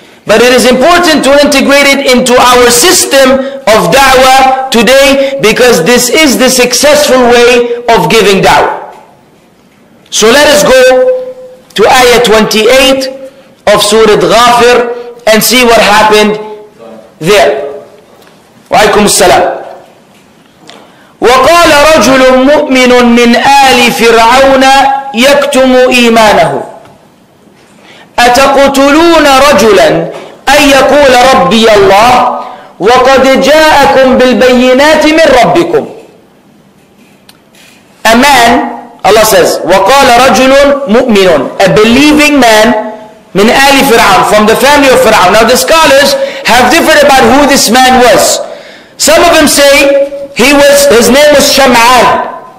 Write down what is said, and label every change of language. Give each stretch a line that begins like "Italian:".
English: But it is important to integrate it into our system of da'wah today, because this is the successful way of giving da'wah. So let us go to ayah 28 of Surah Ghafir and see what happened there.
Arabic: وعليكم السلام. وقال رجل مؤمن من آل فرعون يكتم إيمانه أتقتلون رجلا أن يقول ربي الله وقد جاءكم بالبينات من ربكم.
English: A man, Allah says,
Arabic: وقال رجل مؤمن,
English: a believing man,
Arabic: من آل فرعون,
English: from the family of فرعون. Now the scholars have differed about who this man was. Some of them say his name was Sham'an.